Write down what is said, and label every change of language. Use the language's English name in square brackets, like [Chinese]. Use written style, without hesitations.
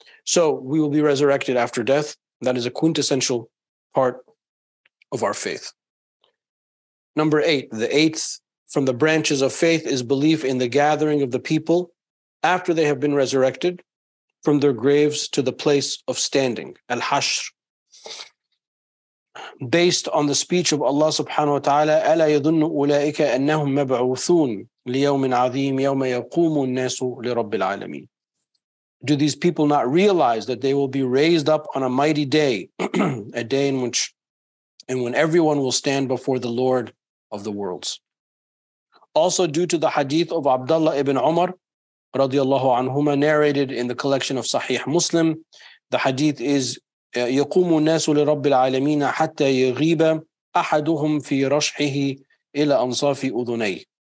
[English] So we will be resurrected after death. That is a quintessential part of our faith. Number eight, the eighth from the branches of faith is belief in the gathering of the people after they have been resurrected from their graves to the place of standing, al-hashr. Based on the speech of Allah subhanahu wa ta'ala, [Arabic] أَلَا يَظُنُّ أُولَٰئِكَ أَنَّهُمْ مَبْعُوثُونَ لِيَوْمٍ عَظِيمٍ يَوْمَ يَقُومُ النَّاسُ لِرَبِّ الْعَالَمِينَ. [English] Do these people not realize that they will be raised up on a mighty day, a day in which and when everyone will stand before the Lord of the worlds? Also, due to the hadith of Abdullah ibn Umar radiallahu anhuma, narrated in the collection of Sahih Muslim, the hadith is [Arabic] يَقُومُ النَّاسُ لِرَبِّ الْعَالَمِينَ حَتَّى يَغِيبَ أَحَدُهُمْ فِي رَشْحِهِ إِلَى أَنصَافِ أُذُنَيْهِ.